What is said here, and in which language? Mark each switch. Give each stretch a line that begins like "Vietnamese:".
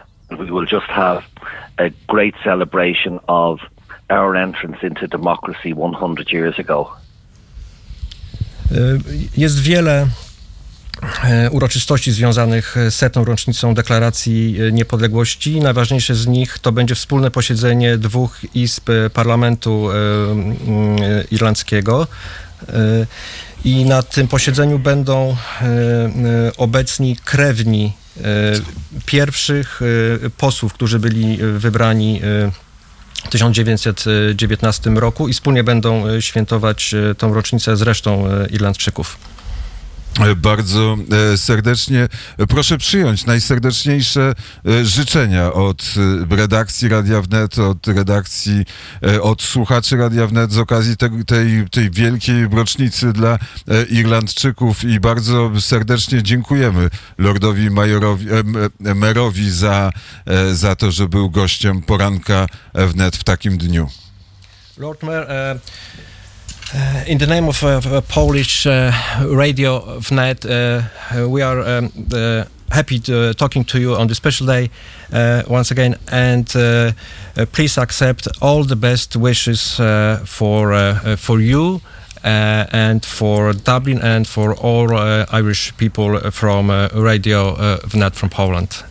English: We will just have a great celebration of our entrance into democracy 100 years ago.
Polish: Jest wiele uroczystości związanych z setną rocznicą Deklaracji Niepodległości. Najważniejsze z nich to będzie wspólne posiedzenie dwóch izb parlamentu irlandzkiego. I na tym posiedzeniu będą obecni krewni pierwszych posłów, którzy byli wybrani w 1919 roku i wspólnie będą świętować tą rocznicę z resztą Irlandczyków. Bardzo serdecznie proszę przyjąć najserdeczniejsze życzenia od redakcji Radia Wnet, od redakcji, od słuchaczy Radia Wnet z okazji tej wielkiej rocznicy dla Irlandczyków i bardzo serdecznie dziękujemy lordowi majorowi, merowi za to, że był gościem poranka Wnet w takim dniu.
English: Lord Mayor, in the name of Polish Radio Wnet, we are happy to talking to you on this special day once again, and please accept all the best wishes for you and for Dublin and for all Irish people from Radio Wnet from Poland.